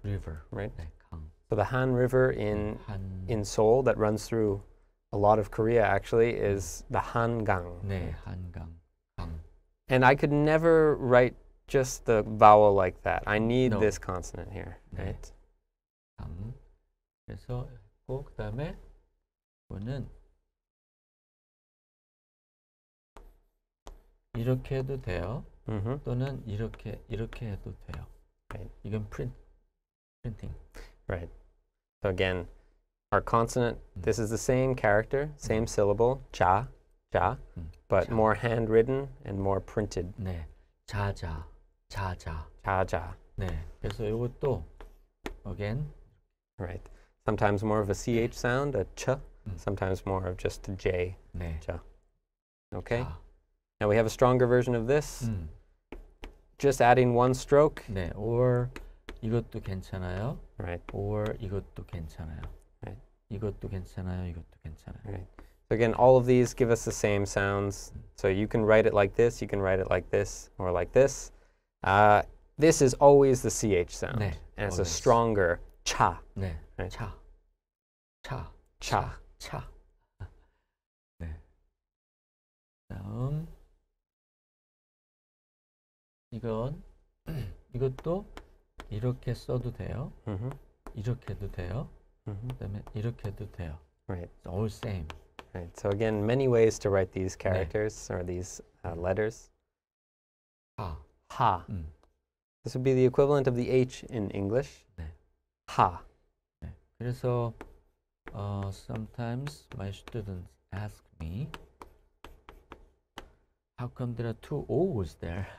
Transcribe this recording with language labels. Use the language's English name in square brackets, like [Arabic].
[English] River. Right? [Korean] 네, 강. [English] So the Han River in Seoul that runs through a lot of Korea, actually, is the Hangang. [Korean] 네, right? Hangang. 강. [English] And I could never write just the vowel like that. I need no. this consonant here. [Korean] 네. [English] Right? [Korean] 강. 그래서 그 다음에 이거는 이렇게 해도 돼요. Mm-hmm. 또는 이렇게 해도 돼요. [English] Right. [Korean] 이건 [English] print printing. Right. So again, our consonant, this is the same character, same syllable, cha, cha, but cha. More handwritten and more printed. [Korean] 네, 자자, 자자. 자자. 네, 그래서 이것도, again. [English] Right, sometimes more of a ch sound, a ch, sometimes more of just a j, [Korean] 네. [English] Cha. Okay, cha. Now we have a stronger version of this. Just adding one stroke. [Korean] 네, or 이것도 괜찮아요. [English] Right. [Korean] Or 이것도 괜찮아요. 이것도 괜찮아요. 이것도 괜찮아요. [English] Right. So again, all of these give us the same sounds. So you can write it like this, you can write it like this, or like this. This is always the CH sound. [Korean] 네, [English] and always. It's a stronger cha. 네. Right. Cha. Cha. Cha. [Korean] Cha. 네. 다음. 이건 이것도 이렇게 써도 돼요. Mm-hmm. 이렇게도 돼요. Mm-hmm. 그다음에 이렇게도 돼요. [English] Right. It's all same. Right. So again, many ways to write these characters 네. or these letters. Ha. Ha. This would be the equivalent of the H in English. [Korean] 네. [English] Ha. [Korean] 네. 그래서 [English] sometimes my students ask me, how come there are two O's there?